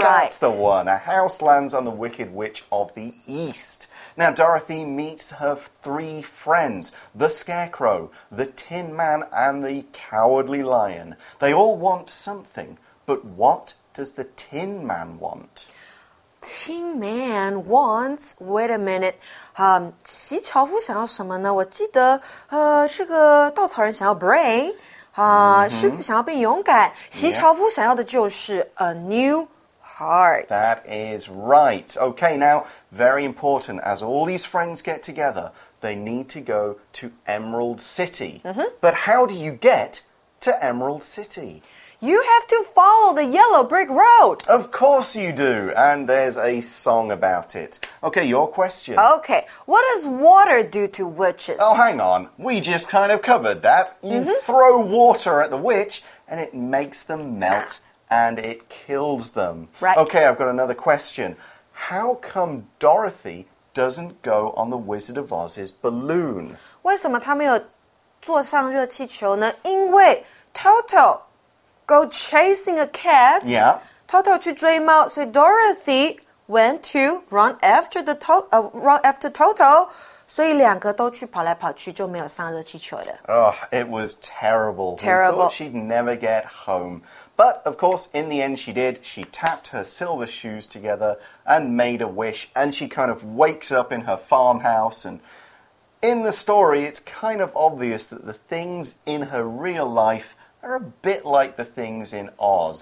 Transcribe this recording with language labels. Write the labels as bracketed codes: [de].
[en] That's the one. A house lands on the Wicked Witch of the East. Now, Dorothy meets her 3 friends, the Scarecrow, the Tin Man, and the Cowardly Lion. They all want something, but what does the Tin Man want? Tin Man wants... Wait a minute. [zh] 奇樵夫想要什么呢？我记得这个稻草人想要 brain, 狮子想要变勇敢。奇樵夫想要的就是 [en] a new... Heart. That is right. Okay, now, very important, as all these friends get together, they need to go to Emerald City. Mm-hmm. But how do you get to Emerald City? You have to follow the yellow brick road. Of course you do. And there's a song about it. Okay, your question. Okay, what does water do to witches? Oh, hang on. We just kind of covered that. You throw water at the witch and it makes them melt and it kills them. Right. Okay, I've got another question. How come Dorothy doesn't go on the Wizard of Oz's balloon? [zh] 为什么他没有坐上热气球呢？ [en] 因为 Toto go chasing a cat. Yeah. Toto [zh] 去追猫，所以 [en] Dorothy went to run after Toto. [zh] 所以两个都去跑来跑去，就没有上热气球了。 [en] Oh, it was terrible. Terrible. We thought she'd never get home. But, of course, in the end she did. She tapped her silver shoes together and made a wish. And she kind of wakes up in her farmhouse. And in the story, it's kind of obvious that the things in her real life are a bit like the things in Oz.